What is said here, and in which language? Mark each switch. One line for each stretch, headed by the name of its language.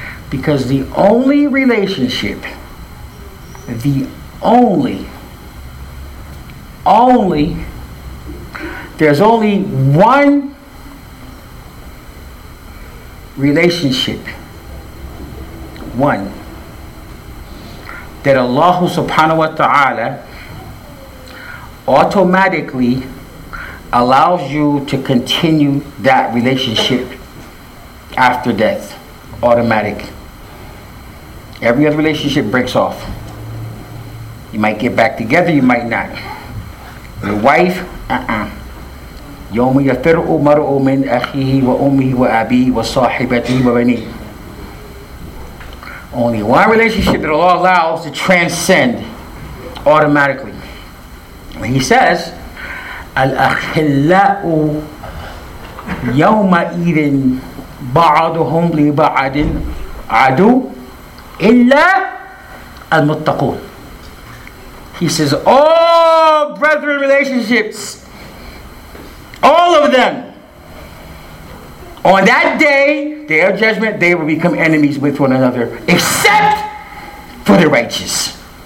English: Because the only relationship, the only, there's only one relationship, one, that Allah subhanahu wa ta'ala automatically allows you to continue that relationship after death. Automatic. Every other relationship breaks off. You might get back together, you might not. Your wife,
Arabic: يوم يفر مرء من أخيه وأمه وأبيه وصاحبته وبنيه.
English: Only one relationship that Allah allows to transcend automatically. And he says,
Arabic: الأخلاء يومئذ بعضهم لبعض عدو إلا المتقون.
English: He says, all brethren relationships, all of them, on that day, day of judgment, they will become enemies with one another, except for the righteous.